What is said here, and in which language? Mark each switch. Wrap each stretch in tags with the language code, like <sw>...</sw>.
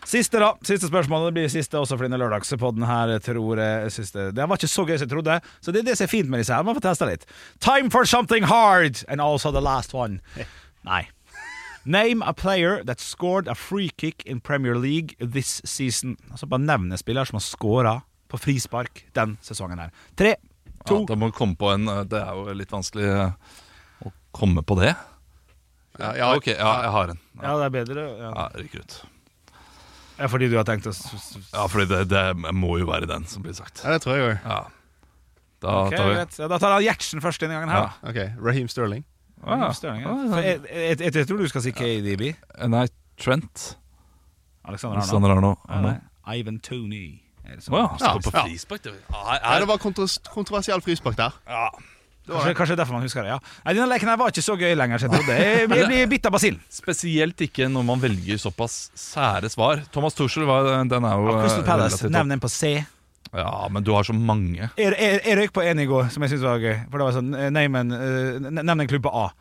<no>Siste da, siste spørsmålet, det blir siste også for denne lørdagspodden her, tror jeg. Det var ikke så gøy som jeg trodde. Så det er det som er fint med disse her, man får teste litt.</no> <en>Time for something hard, and also the last one.</en> <no>Nei.</no> <en>Name a player that scored a free kick in Premier League this season.</en> <no>Altså bare nevne spillere som har scoret på frispark den sesongen her. 3, 2. Ja, det må komme på en. Det er jo litt vanskelig å komme på det. Ja, ok, ja, jeg har en. Ja, det er bedre. Ja, ja, rykker ut. Ja, fordi du har tenkt å. Ja, fordi det må jo være den som blir sagt. Ja, det tror jeg jo. Ja. Da, okay, tar vi. Ja, da tar han Gjertsen først denne gangen her. Ja. Ok, Raheem Sterling. Jeg tror du skal si KDB. Nei, Trent. Alexander Arno. Ivan Toney. Er det bare kontroversiell frispark der? Ja. Kanskje det er derfor man husker det, ja. Nei, denne leken her var ikke så gøy lenger, jeg trodde. Jeg blir bitt av basil. Spesielt ikke når man velger såpass sære svar. Thomas Tuchel, var, den er jo Crystal Palace, nevn den på C. Ja, men du har så mange. Jeg røyk på en i går, som jeg synes var gøy. For det var sånn, nevn en klubb på A.</no>